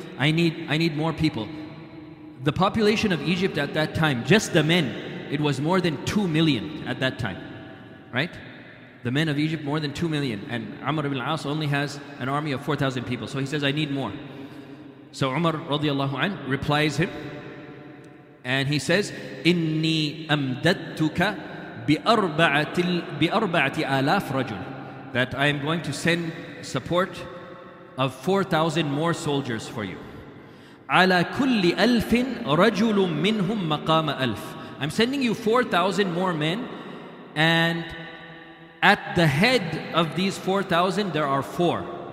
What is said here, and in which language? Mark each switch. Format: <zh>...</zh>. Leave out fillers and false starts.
<en>I need more people. The population of Egypt at that time, just the men, it was more than 2 million at that time, right? The men of Egypt, more than 2 million. And Amr ibn al-As only has an army of 4,000 people. So he says, I need more. So Umar radiallahu anhu replies him. And he says,</en> <ar>إِنِّي أَمْدَدْتُكَ بِأَرْبَعَةِ آلَافْ رَجُلٍ.</ar> <en>That I am going to send support of 4,000 more soldiers for you.</en> <ar>عَلَى كُلِّ أَلْفٍ رَجُلٌ مِّنْهُمْ مَقَامَ أَلْفٍ.</ar> <en>I'm sending you 4,000 more men, and at the head of these 4,000, there are four.</en>